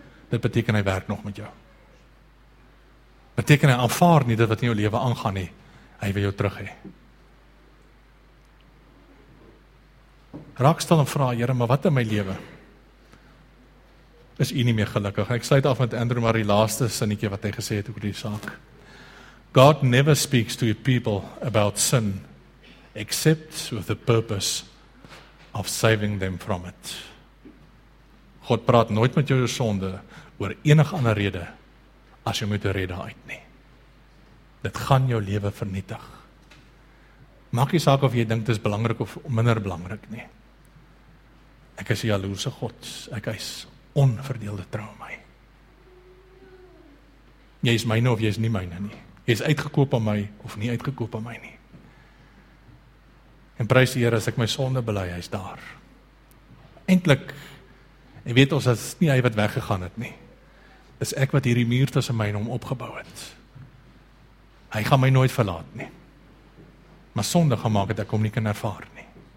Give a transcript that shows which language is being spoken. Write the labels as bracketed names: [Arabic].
[Afrikaans] Dit beteken hy werk nog met jou. Beteken hy aanvaar nie dit wat in jou lewe aangaan nie. Hy wil jou terug hê. Raak stil en vra, Here, maar wat in my lewe? Is u nie meer gelukkig? Ek sluit af met Andrew Marie laaste sinnetjie wat hy gesê het oor die saak. [English] God never speaks to people about sin except with the purpose of saving them from it. [Afrikaans] God praat nooit met jou oor sonde oor enige ander rede as jy moet red uit nie. Dit gaan jou lewe vernietig. Maak nie saak of jy dink dit is belangrik of minder belangrik nie. Ek is 'n jaloerse God. Ek eis onverdeelde trou aan my. Jy is myne of jy is nie myne nie. Jy is uitgekoop aan my of nie uitgekoop aan my nie. En prys die Here as ek my sonde bely, hy is daar. Eintlik, en weet ons, is nie hy wat weggegaan het nie. Is ek wat hierdie muur tussen my en hom opgebou het. Hy gaan my nooit verlaat nie. Maar sonde gaan maak dat ek hom nie kan ervaar nie.